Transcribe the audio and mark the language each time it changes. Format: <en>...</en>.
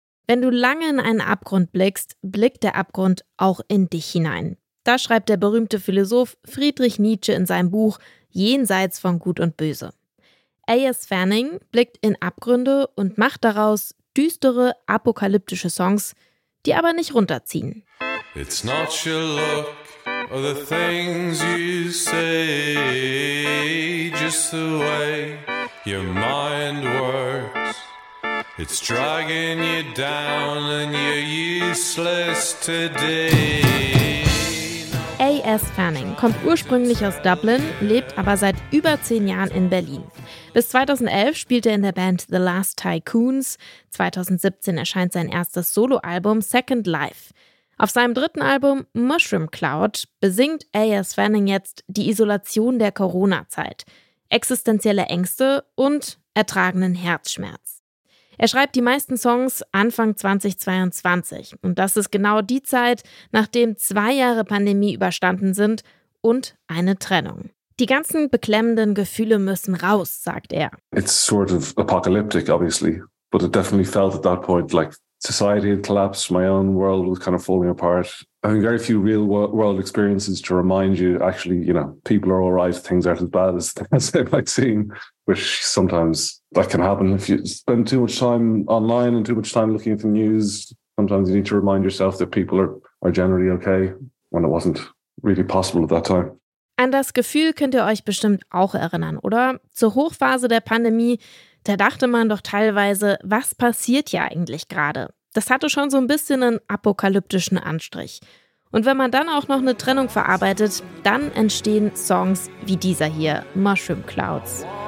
<de>Wenn du lange in einen Abgrund blickst, blickt der Abgrund auch in dich hinein. Das schreibt der berühmte Philosoph Friedrich Nietzsche in seinem Buch Jenseits von Gut und Böse. A.S. Fanning blickt in Abgründe und macht daraus düstere, apokalyptische Songs, die aber nicht runterziehen.</de> <en>It's not your look or the things you say, just the way your mind works. It's dragging you down and you're useless today.</en> <de>A.S. Fanning kommt ursprünglich aus Dublin, lebt aber seit über 10 Jahren in Berlin. Bis 2011 spielt er in der Band The Last Tycoons. 2017 erscheint sein erstes Soloalbum Second Life. Auf seinem dritten Album Mushroom Cloud besingt A.S. Fanning jetzt die Isolation der Corona-Zeit, existenzielle Ängste und ertragenen Herzschmerz. Er schreibt die meisten Songs Anfang 2022 und das ist genau die Zeit, nachdem 2 Jahre Pandemie überstanden sind und eine Trennung. Die ganzen beklemmenden Gefühle müssen raus, sagt er.</de> <en>It's sort of apocalyptic, obviously, but it definitely felt at that point like society had collapsed, my own world was kind of falling apart. I mean, very few real world experiences to remind you, actually, you know, people are all right, things aren't as bad as they might seem, which sometimes that can happen if you spend too much time online and too much time looking at the news. Sometimes you need to remind yourself that people are generally okay when it wasn't really possible at that time.</en> <de>An das Gefühl könnt ihr euch bestimmt auch erinnern, oder? Zur Hochphase der Pandemie, da dachte man doch teilweise, was passiert hier eigentlich gerade? Das hatte schon so ein bisschen einen apokalyptischen Anstrich. Und wenn man dann auch noch eine Trennung verarbeitet, dann entstehen Songs wie dieser hier, Mushroom Clouds.</de>